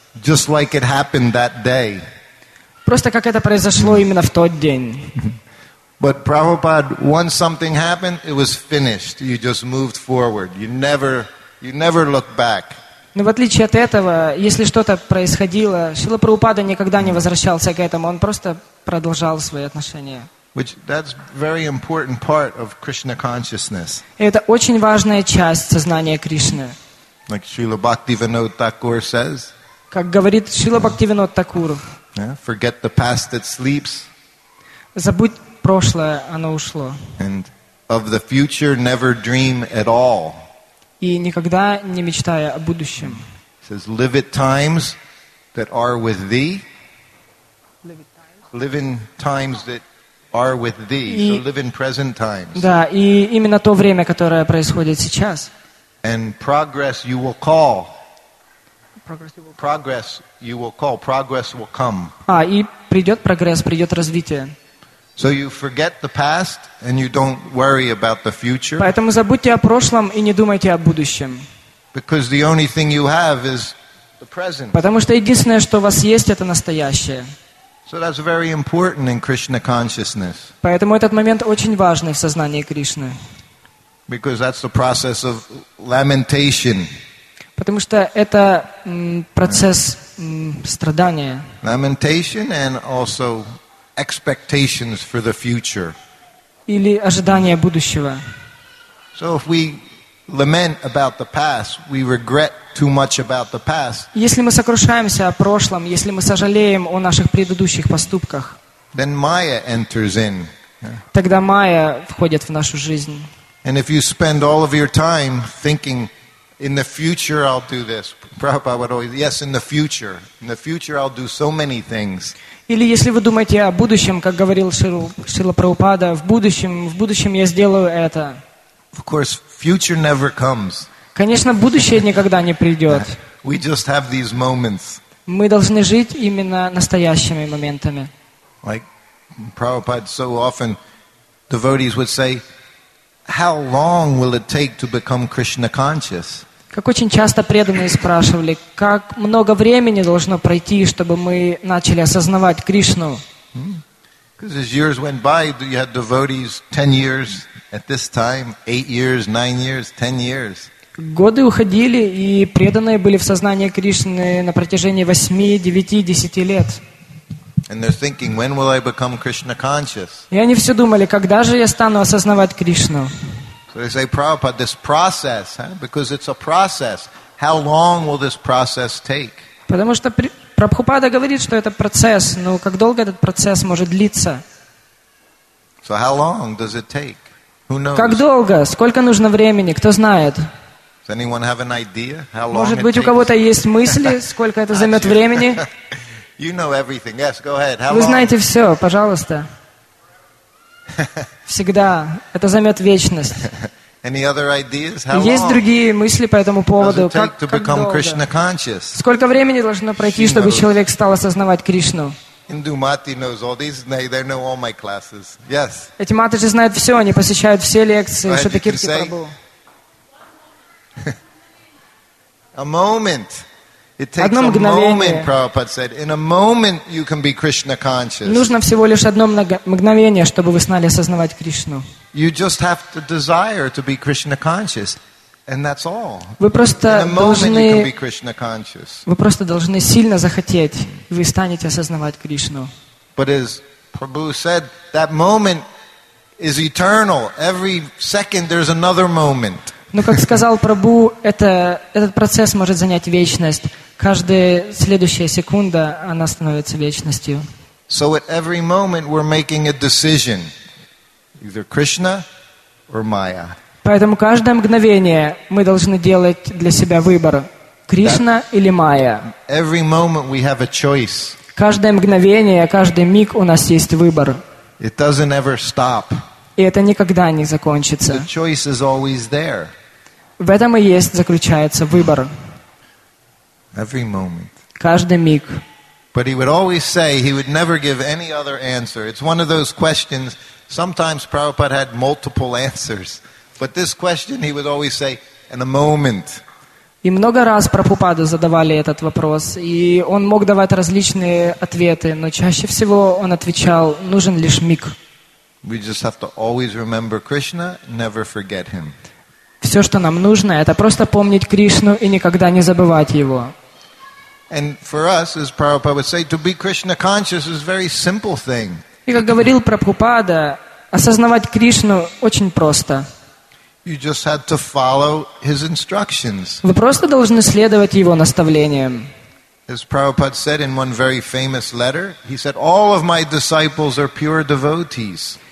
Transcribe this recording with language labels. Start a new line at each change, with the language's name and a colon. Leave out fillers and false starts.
English: Just like it happened that day.
Russian: Просто как это произошло именно в тот день.
English: But Prabhupada, once something happened, it was finished. You just moved forward. You never looked back.
Russian: Но в отличие от этого, если что-то происходило, Шрила Прабхупада никогда не возвращался к этому. Он просто продолжал свои отношения.
English: Which that's very important part of Krishna consciousness.
Russian: Это очень важная часть сознания Кришны.
English: Like Srila Bhaktivinoda Thakur says.
Russian: Как говорит Шрила Бхактивинода Такур.
English: Forget the past that sleeps.
Russian: Забудь прошлое, оно ушло.
English: And of the future, never dream at all.
Russian: И никогда не мечтая о будущем.
English: Says live at times that are with thee. Live in times that are with thee. So live in present times.
Russian: Да, и именно то время, которое происходит сейчас.
English: And progress you will call. Progress you will call. Progress will come.
Russian: А, и придет прогресс, придет развитие.
English: So you forget the past and you don't worry about the future.
Russian: Поэтому забудьте о прошлом и не думайте о будущем.
English: Because the only thing you have is the present.
Russian: Потому что единственное, что у вас есть, это настоящее.
English: So that's very important in Krishna consciousness.
Russian: Поэтому этот момент очень важный в сознании Кришны.
English: Because that's the process of lamentation.
Russian: Потому что это процесс страдания.
English: Lamentation and also expectations for the future.
Russian: Или ожидания будущего.
English: So if we lament about the past, we regret too much about the past.
Russian: Если мы сокрушаемся о прошлом, если мы сожалеем о наших предыдущих поступках,
English: then Maya enters in.
Russian: Тогда Майя входит в нашу жизнь.
English: And if you spend all of your time thinking, in the future I'll do this, Prabhupada would always, yes, in the future I'll do so many things.
Russian: Или если вы думаете о будущем, как говорил Шрила Прабхупада, в будущем я сделаю это.
English: Of course, future never comes.
Russian: Конечно, будущее никогда не придет.
English: We just have these moments.
Russian: Мы должны жить именно настоящими моментами.
English: Like Prabhupada so often, devotees would say, how long will it take to become Krishna conscious?
Russian: Как очень часто преданные спрашивали, как много времени должно пройти, чтобы мы начали осознавать Кришну?
English: Because as years went by, you had devotees 10 years at this time, 8 years, 9 years, 10 years.
Russian: Годы уходили, и преданные были в сознании Кришны на протяжении 8, 9, 10 лет.
English: And they're thinking, when will I become Krishna conscious?
Russian: И они все думали, когда же я стану осознавать Кришну?
English: So they say, Prabhupada, this process, because it's a process. How long will this process take?
Russian: Потому что Прабхупада говорит, что это процесс. Но как долго этот процесс может длиться?
English: So how long does it take? Who knows?
Russian: Как долго? Сколько нужно времени? Кто знает?
English: Does anyone have an idea how long?
Russian: Может быть, у кого-то есть мысли, сколько это займет времени?
English: You know everything. Yes, go ahead. How
Russian: Вы знаете все, пожалуйста. Всегда. Это займет вечность.
English: Any other ideas? How
Russian: Есть
English: long?
Russian: Другие мысли по этому поводу. Как долго?
English: Krishna conscious?
Russian: Сколько времени должно пройти,
English: She
Russian: чтобы
English: knows.
Russian: Человек стал осознавать Кришну?
English: Индумати knows all these. They know all my classes. Yes.
Russian: Эти матыши знают все. Они посещают все лекции. Что ты кирки пробыл?
English: A moment. It takes a moment, Prabhupada said. In a moment, you can be Krishna conscious.
Russian: Нужно всего лишь одно мгновение, чтобы вы стали осознавать Кришну.
English: You just have to desire to be Krishna conscious, and that's all.
Russian: Вы просто должны.
English: In a moment, you can be Krishna conscious.
Russian: Вы просто должны сильно захотеть, и вы станете осознавать Кришну.
English: But as Prabhu said, that moment is eternal. Every second, there's another moment.
Russian: Но, как сказал Прабху, этот процесс может занять вечность. Каждая следующая секунда, она становится вечностью.
English: So at every moment we're making a decision. Either Krishna or Maya.
Russian: Поэтому каждое мгновение мы должны делать для себя выбор. Кришна или Майя.
English: Every moment we have a choice.
Russian: Каждое мгновение, каждый миг у нас есть выбор.
English: It doesn't ever stop.
Russian: И это никогда не закончится.
English: The choice is always there.
Russian: В этом и есть заключается выбор.
English: Every moment.
Russian: Каждый миг.
English: But he would always say he would never give any other answer. It's one of those questions. Sometimes Prabhupada had multiple answers, but this question he would always say in a moment.
Russian: И много раз Прабхупаду задавали этот вопрос, и он мог давать различные ответы, но чаще всего он отвечал: нужен лишь миг.
English: We just have to always remember Krishna, never forget him.
Russian: Все, что нам нужно, это просто помнить Кришну и никогда не забывать Его.
English: And for us, as Prabhupada would say, to be Krishna conscious is a very simple thing.
Russian: И как говорил Прабхупада, осознавать Кришну очень просто.
English: You just had to follow his instructions.
Russian: Вы просто должны следовать его наставлениям.
English: As Prabhupada said in one very famous letter, he said, "All of my disciples are pure devotees."